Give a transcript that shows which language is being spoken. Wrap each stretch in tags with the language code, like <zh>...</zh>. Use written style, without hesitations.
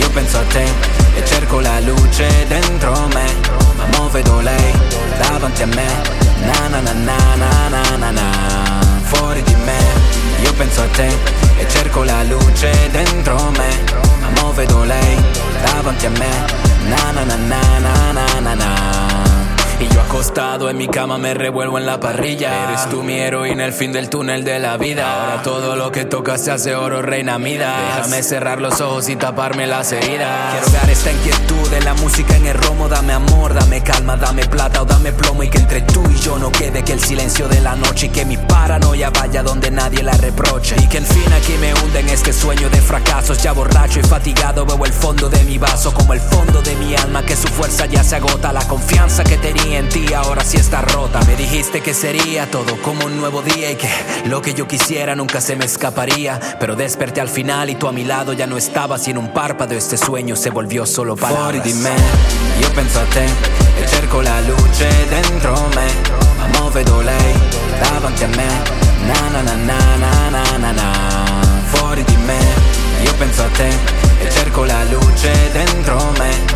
<it>Io penso a te e cerco la luce dentro me. Ma mo vedo lei davanti a me. Na na na na na na na na. Fuori di me. Io penso a te e cerco la luce dentro me. Ma mo vedo lei davanti a me. Na na na na na na na na.</it> <es>Y yo acostado en mi cama me revuelvo en la parrilla. Eres tú mi heroína, el fin del túnel de la vida. Ahora todo lo que toca se hace oro, reina Midas. Déjame cerrar los ojos y taparme las heridas. Quiero dar esta inquietud de la música en el romo. Dame amor, dame calma, dame plata o dame plomo. Y que entre tú y yo no quede que el silencio de la noche. Y que mi paranoia vaya donde nadie la reproche. Y que en fin aquí me hunde en este sueño de fracasos. Ya borracho y fatigado veo el fondo de mi vaso. Como el fondo de mi alma que su fuerza ya se agota. La confianza que tenía en ti ahora sí está rota. Me dijiste que sería todo como un nuevo día. Y que lo que yo quisiera nunca se me escaparía. Pero desperté al final y tú a mi lado ya no estabas. Y en un párpado este sueño se volvió solo palabras.</es> <it>Fuori di me, yo pienso a te e cerco la luce dentro me. Ma mo vedo lei davanti a me. Na na na na na na na na. Fuori di me, yo pienso a te e cerco la luce dentro me.</it>